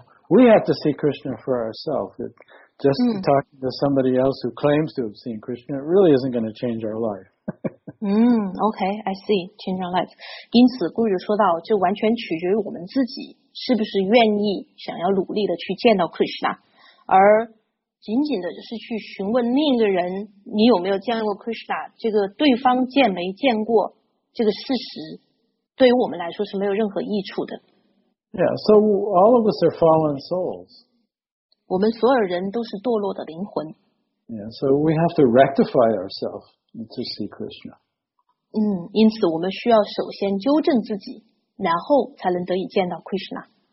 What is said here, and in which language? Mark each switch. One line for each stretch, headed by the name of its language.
English: we have to see Krishna for ourselves. It Just talking to somebody else who claims to have seen Krishna, it really isn't going to change our life. Okay, I see. Change our life.
Chinese: 因此，顾主说到，就完全取决于我们自己是不是愿意想要努力的去见到 Krishna， 而仅仅的是去询问另一个人你有没有见过 Krishna， 这个对方见没见过这个事实对于我们来说是没有任何益处的。
English: Yeah, so all of us are fallen souls.
Chinese: 我们所有人都是堕落的灵魂。
English: Yeah, so we have to rectify ourselves to see Krishna.
Chinese: 因此我们需要首先纠正自己，然后才能得以见到 Krishna。